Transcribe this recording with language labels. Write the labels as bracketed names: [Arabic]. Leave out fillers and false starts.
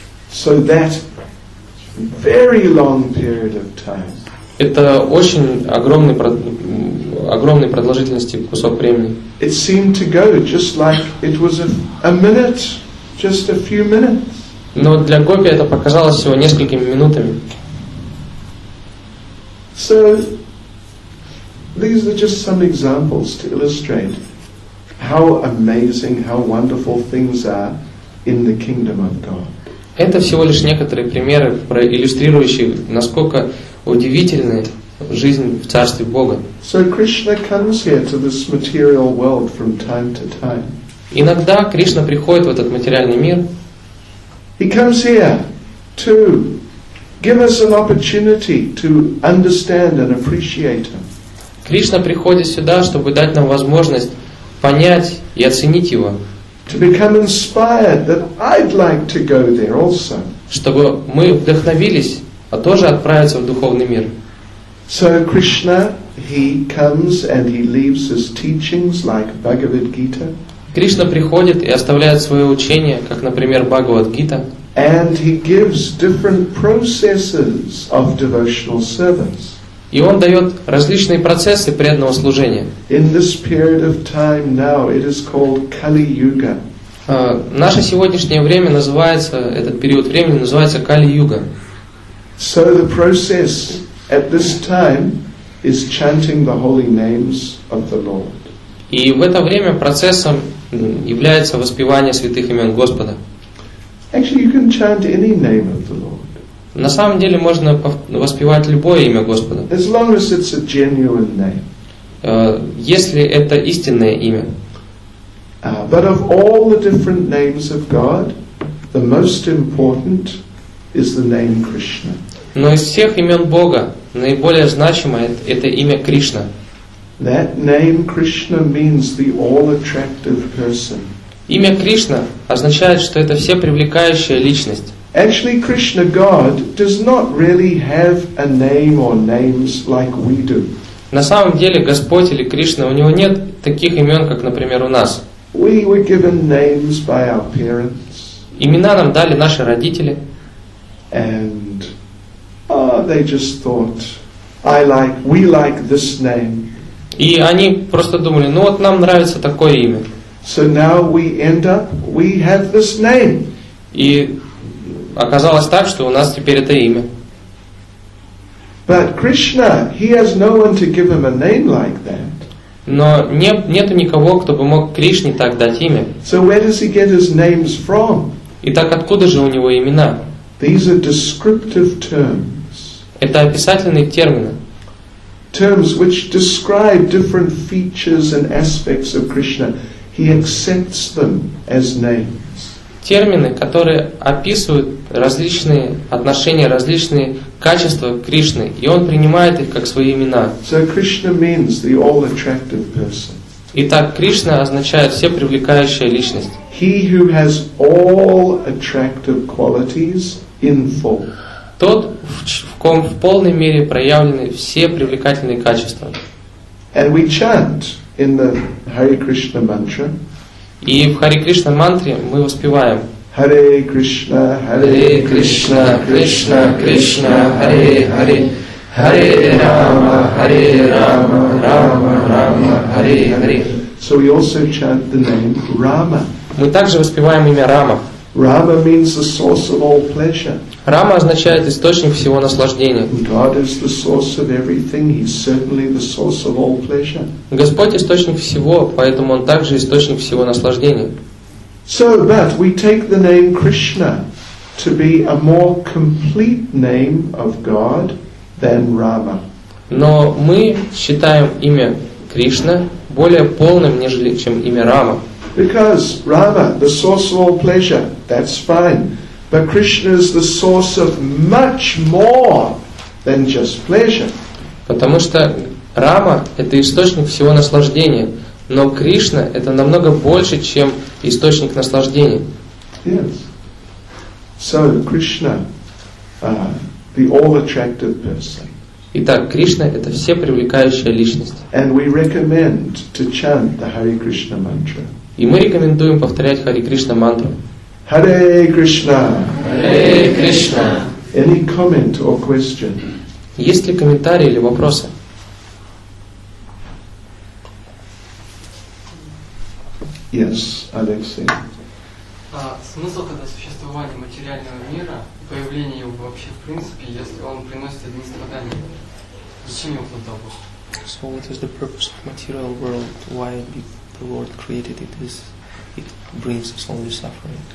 [English] So that very long period of time. [Russian] Это очень огромной продолжительности кусок времени. [English] It seemed to go just like it was a minute, just a few minutes. [Russian] Но для гопи это показалось всего несколькими минутами. [English] So these are just some examples to illustrate how amazing, how wonderful things are in the kingdom of God. [Russian] Это всего лишь некоторые примеры, проиллюстрирующие, насколько удивительная жизнь в царстве Бога. [English] So Krishna comes here to this material world from time to time. [Russian] Иногда Кришна приходит в этот материальный мир. [English] He comes here to give us an opportunity to understand and appreciate Him. [Russian] Кришна приходит сюда, чтобы дать нам возможность понять и оценить Его. [English] To become inspired that I'd like to go there also. [Russian] Чтобы мы вдохновились. А тоже отправится в духовный мир. [English] So Krishna, he comes and he leaves his teachings like Bhagavad Gita. [Russian] Кришна приходит и оставляет свое учение, как, например, Бхагавад Гита. [English] And he gives different processes of devotional service. [Russian] И он дает различные процессы преданного служения. [English] In this period of time now, it is called Kali Yuga. [Russian] Наше сегодняшнее время называется, этот период времени называется Кали Юга. [English] So the process at this time is chanting the holy names of the Lord. [Russian] И в это время процессом является воспевание святых имен Господа. [English] Actually, you can chant any name of the Lord. [Russian] На самом деле можно воспевать любое имя Господа. [English] As long as it's a genuine name. [Russian] Если это истинное имя. [English] But of all the different names of God, the most important is the name Krishna. [Russian] Но из всех имен Бога наиболее значимое это имя Кришна. [English] That name Krishna means the all-attractive person. [Russian] Имя Кришна означает, что это всепривлекающая личность. [English] Actually, Krishna God does not really have a name or names like we do. [Russian] На самом деле, Господь или Кришна, у него нет таких имен, как, например, у нас. [English] We were given names by our parents. [Russian] Имена нам дали наши родители. [English] And they just thought, we like this name. [Russian] И они просто думали, ну вот нам нравится такое имя. [English] So now we end up, we have this name. [Russian] И оказалось так, что у нас теперь это имя. [English] But Krishna, he has no one to give him a name like that. [Russian] Но нету никого, кто бы мог Кришне так дать имя. [English] So where does he get his names from? [Russian] Итак, откуда же у него имена? [English] These are descriptive terms. [Russian] Это описательные термины. [English] Terms which describe different features and aspects of Krishna. He accepts them as names. [Russian] Термины, которые описывают различные отношения, различные качества Кришны, и он принимает их как свои имена. [English] So Krishna means the all-attractive person. [Russian] Итак, Кришна означает всепривлекающая личность. [English] He who has all attractive qualities in full. [Russian] Тот, в ком в полной мере проявлены все привлекательные качества. [English] And we chant in the Hare Krishna mantra. [Russian] И в Hare Krishna мантре мы воспеваем. [Sanskrit] Hare Krishna, Hare Krishna, Krishna Krishna, Hare Hare, Hare Rama, Hare Rama, Rama Rama, Hare Hare. [English] So we also chant the name Rama. [Russian] Мы также воспеваем имя Рама. [English] Rama means the source of all pleasure. [Russian] Рама означает источник всего наслаждения. [English] God is the source of everything. He's certainly the source of all pleasure. [Russian] Господь источник всего, поэтому он также источник всего наслаждения. [English] So, but we take the name Krishna to be a more complete name of God than Rama. [Russian] Но мы считаем имя Кришна более полным, нежели чем имя Рама. [English] Because Rama, the source of all pleasure, that's fine. But Krishna is the source of much more than just pleasure. [Russian] Потому что Рама – это источник всего наслаждения. Но Кришна – это намного больше, чем источник наслаждения. [English] Yes. So, Krishna, the all-attractive person. [Russian] Итак, Кришна – это всепривлекающая личность. [English] And we recommend to chant the Hare Krishna mantra. [Russian] И мы рекомендуем повторять Hare Krishna мантру. [Sanskrit] Hare Krishna. Hare Krishna. [English] Any comment or question? [Russian] Есть ли комментарии или вопросы? [English] Yes, Alexey. [Russian] Смысл тогда существования материального мира, появления его вообще в принципе, если он приносит одни страдания, зачем его тут добыть? [English] So what is the purpose of material world? Why be? The Lord created it, it brings us only suffering.